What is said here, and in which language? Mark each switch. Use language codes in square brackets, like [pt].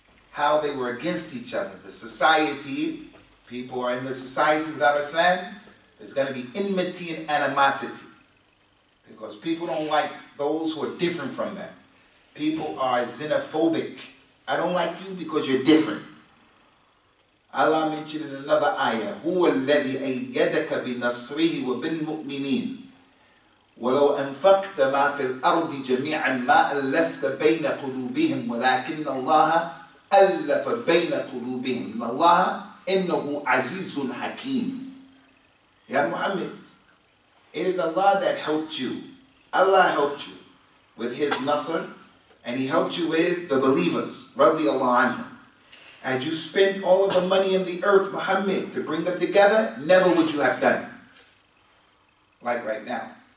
[en] How they were against each other. The society, people are in the society without Islam, there's going to be enmity and animosity. Because people don't like those who are different from them. People are xenophobic. I don't like you because you're different. Allah mentioned in another ayah, [ar] هُوَ الَّذِي أَيَّدَكَ بِنَصْرِهِ وَبِالْمُؤْمِنِينَ وَلَوْ أَنْفَقْتَ مَا فِي الْأَرْضِ جَمِيعًا مَا أَلَّفْتَ بَيْنَ قُلُوبِهِمْ وَلَكِنَّ اللَّهَ أَلَّفَ بَيْنَ قُلُوبِهِمْ إِنَّ اللَّهَ إِنَّهُ عَزِيزٌ حَكِيمٌ. [en] Ya Muhammad, it is Allah that helped you. Allah helped you with His nasr, and He helped you with the believers, radiallahu anhu. Had you spent all of the money in the earth, Muhammad, to bring them together, never would you have done it. Like right now.